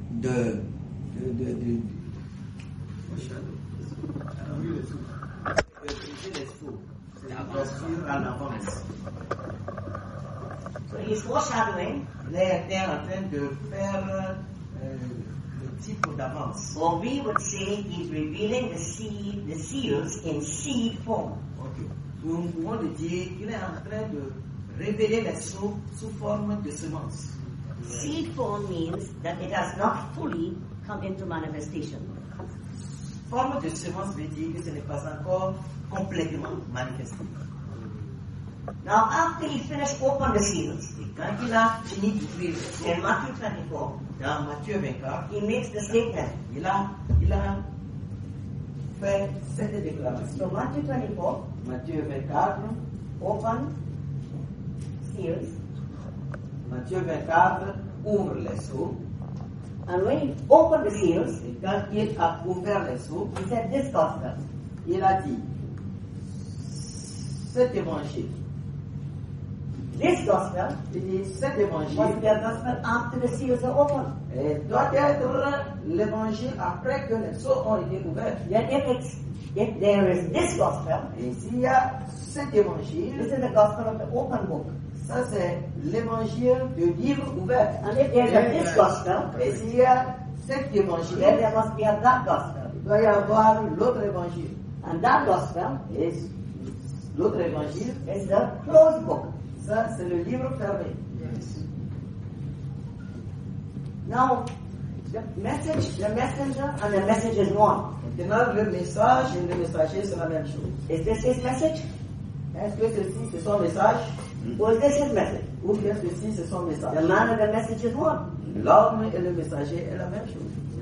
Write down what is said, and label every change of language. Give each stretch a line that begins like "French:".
English: So he's foreshadowing.
French: Il était en train de faire
English: Or we would say he's revealing the seals in seed form. Okay.
French: Donc on pourrait dire qu'il est en train de révéler les sceaux sous forme de semences.
English: Seed form means that it has not fully come into manifestation.
French: Forme de semences veut dire que ce n'est pas encore complètement manifesté.
English: Now, after he finished opening the seals,
French: quand il a fini d'ouvrir,
English: in Matthew 24,
French: dans Matthieu 24,
English: he makes the statement.
French: Il a fait cette déclaration.
English: So Matthew 24,
French: Matthieu 24,
English: open seals.
French: Matthieu 24 ouvre les sceaux.
English: And when he opened the seals,
French: et quand il a ouvert les sceaux,
English: he said this gospel.
French: Il a dit cet évangile.
English: This gospel is the evangile. Gospel after the seals are opened.
French: Et doit être l'évangile après que les sceaux ont été ouverts.
English: Yet if there is this gospel,
French: et s'il y a cet évangile,
English: this is the gospel of the open book.
French: Ça c'est l'évangile du livre ouvert.
English: And if there is this gospel,
French: et s'il y a cet évangile,
English: then there must be a that gospel.
French: Il doit y avoir l'autre évangile.
English: And that gospel
French: is l'autre évangile
English: is the closed book.
French: Ça, c'est le livre fermé.
English: Yes. Now, the messenger and the message is one.
French: Maintenant, le message et le messager sont la même chose.
English: Is this his message?
French: Est-ce que ceci, c'est son message?
English: Or is this his message?
French: Ou bien ceci, c'est son message?
English: The man and the message is one.
French: L'homme et le messager est la même chose.